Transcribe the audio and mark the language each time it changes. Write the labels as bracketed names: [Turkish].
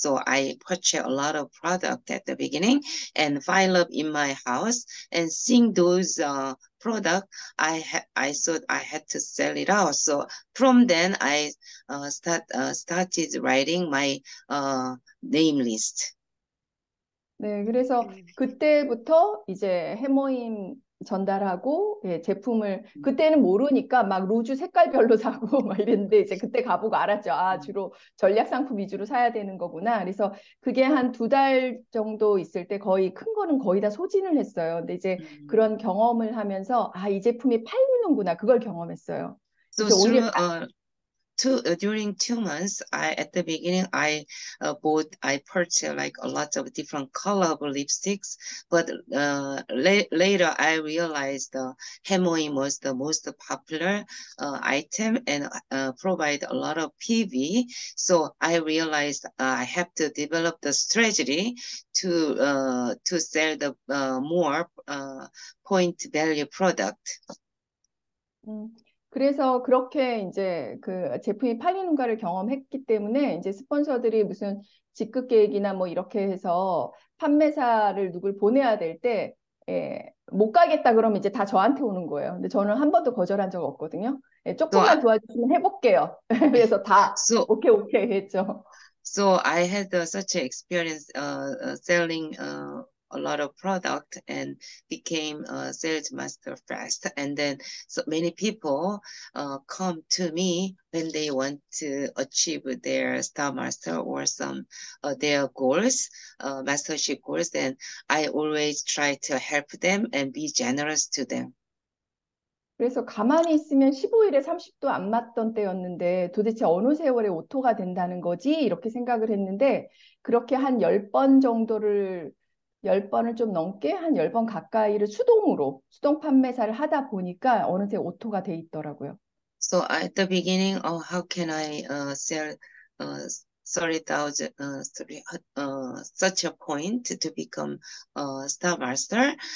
[English] So I purchased a lot of product at the beginning and file up in my house. And seeing those product, I thought I had to sell it out. So from then I started writing my name list. [Korean] 네, 그래서 그때부터 이제 해모임 전달하고 예, 제품을 그때는 모르니까 막 로즈 색깔별로 사고 막 이랬는데 이제 그때 가보고 알았죠. 아, 주로 전략 상품 위주로 사야 되는 거구나. 그래서 그게 한 두 달 정도 있을 때 거의 큰 거는 거의 다 소진을 했어요. 근데 이제 그런 경험을 하면서 아, 이 제품이 팔리는구나 그걸 경험했어요. [English] So through, during 2 months, at the beginning, I purchased like a lot of different color of lipsticks. But later, I realized the Hemoim was the most popular item and provide a lot of PV. So I realized I have to develop the strategy to sell the more point value product. [Korean] 그래서 그렇게 이제 그 제품이 팔리는가를 경험했기 때문에 이제 스폰서들이 무슨 직급 계획이나 뭐 이렇게 해서 판매사를 누굴 보내야 될 때 예, 못 가겠다 그러면 이제 다 저한테 오는 거예요. 근데 저는 한 번도 거절한 적 없거든요. 예, 조금만 도와주시면 해볼게요. 그래서 다 오케이 오케이 했죠. [English] So I had such an experience selling a lot of product and became a sales master first. And then so many people come to me when they want to achieve their star master or some their goals, mastership goals. And I always try to help them and be generous to them. [Korean] 그래서 가만히 있으면 15일에 30도 안 맞던 때였는데 도대체 어느 세월에 오토가 된다는 거지? 이렇게 생각을 했는데 그렇게 한 10번 정도를 10번을 좀 넘게 한 10번 가까이를 수동 판매사를 하다 보니까 어느새 오토가 돼 있더라고요. [English] So at the beginning, oh, how can I sell 30,000 such a point to become a star master?